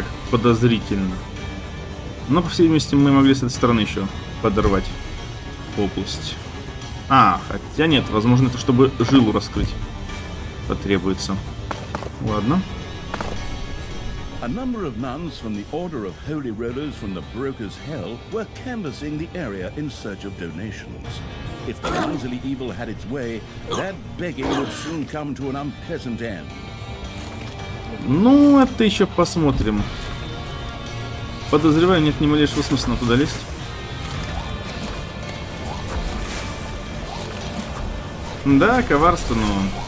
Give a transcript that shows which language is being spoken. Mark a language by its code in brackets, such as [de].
[ru] Подозрительно. Но, по всей видимости, мы могли с этой стороны еще подорвать область. А, хотя нет, возможно, это чтобы жилу раскрыть потребуется. Ладно. [en] A number of nuns from the Order of Holy Rollers from the Broker's Hell were canvassing the area in search of donations. If the Clumsily Evil had its way, that begging would soon come to an unpleasant end. [ru] Ну, это еще посмотрим. Подозреваю, нет ни малейшего смысла туда лезть. Да, коварство, но...